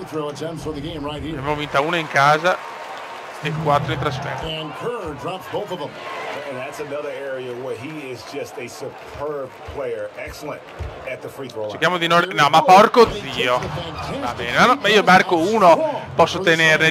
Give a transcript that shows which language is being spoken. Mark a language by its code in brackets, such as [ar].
[it] Abbiamo vinta una in casa e 4 in trasferta. [en] And that's another area where he is just a superb player, excellent at the free throw line. [it] Cerchiamo di non... No, ma porco zio. Va bene, no, ma io barco uno, posso tenerne.